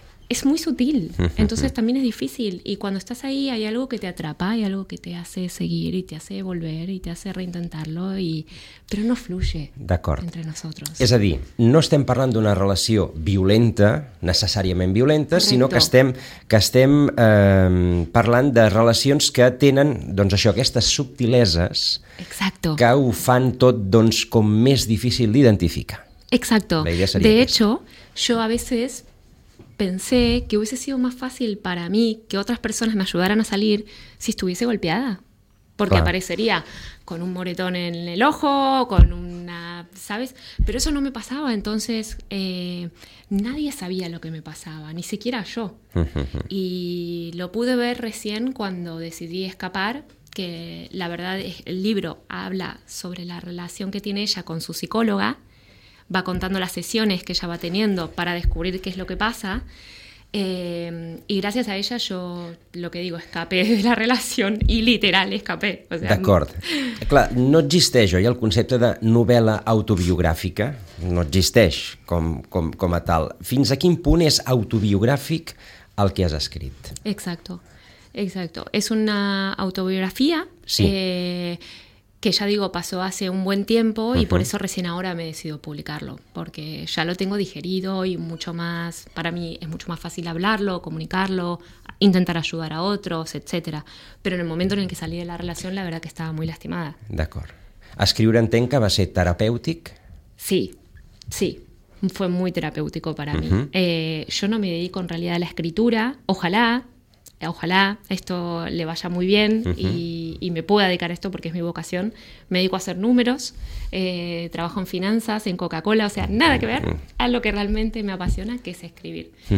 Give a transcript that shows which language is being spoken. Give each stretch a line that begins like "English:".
Spanish: Es muy sutil, entonces también es difícil. Y cuando estás ahí hay algo que te atrapa, hay algo que te hace seguir y te hace volver y te hace reintentarlo, pero no fluye.
Catalan: D'acord.
Spanish: Entre nosotros.
Catalan: És a dir, no estem parlant d'una relació violenta, necessàriament violenta,
Spanish: correcto,
Catalan: sinó que estem parlant de relacions que tenen doncs, això, aquestes subtileses.
Spanish: Exacto.
Catalan: Que ho fan tot doncs, com més difícil d'identificar.
Spanish: Exacto. La idea seria de hecho, jo a veces pensé que hubiese sido más fácil para mí que otras personas me ayudaran a salir si estuviese golpeada. Porque claro, aparecería con un moretón en el ojo, con una, ¿sabes? Pero eso no me pasaba, entonces nadie sabía lo que me pasaba, ni siquiera yo. Y lo pude ver recién cuando decidí escapar, que la verdad es el libro habla sobre la relación que tiene ella con su psicóloga, va contando las sesiones que ella va teniendo para descubrir qué es lo que pasa. Y gracias a ella yo, lo que digo, escapé de la relación y literal escapé. O sea,
Catalan: d'acord. Clar, no existeix, oi, el concepte de novel·la autobiogràfica? No existeix com a tal. Fins a quin punt és autobiogràfic el que has escrit?
Spanish: Exacto, exacto. Es una autobiografía, sí, que ya digo, pasó hace un buen tiempo y uh-huh, por eso recién ahora me he decidido publicarlo, porque ya lo tengo digerido y mucho más, para mí es mucho más fácil hablarlo, comunicarlo, intentar ayudar a otros, etcétera. Pero en el momento en el que salí de la relación, la verdad que estaba muy lastimada.
Catalan: D'acord. Escriure entenc que va ser terapèutic?
Spanish: Sí, sí. fue muy terapéutico para mí. Yo no me dedico en realidad a la escritura, ojalá esto le vaya muy bien y me pueda dedicar a esto porque es mi vocación. Me dedico a hacer números, trabajo en finanzas, en Coca-Cola, o sea, nada que ver a lo que realmente me apasiona, que es escribir.